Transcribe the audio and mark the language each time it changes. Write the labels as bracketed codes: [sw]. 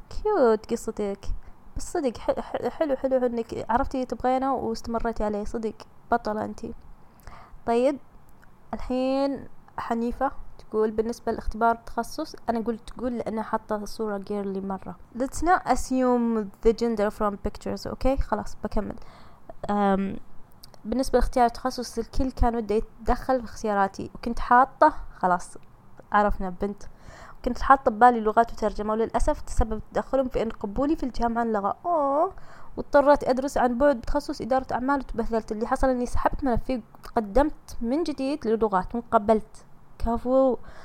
[ar] كيوت قصتك صدق. حلو حلو حلو انك عرفتي تبغينه واستمرتي عليه، صدق بطلة انتي. طيب الحين حنيفة تقول بالنسبة لاختبار التخصص، انا قلت تقول لانها حطت الصورة جيرلي مرة. [en] Let's not assume the gender from pictures. [ar] اوكي خلاص بكمل. بالنسبة لاختيار التخصص الكل كان ودي يتدخل في اختياراتي، وكنت حاطة خلاص عرفنا بنت، كنت حاطة ببالي لغات وترجمة، وللأسف تسبب تدخلهم في أن قبولي في الجامعة انلغى. واضطرت أدرس عن بعد بتخصص إدارة أعمال وتبهذلت. اللي حصل أني سحبت ملفي وقدمت من جديد للغات وقبلت، كفو.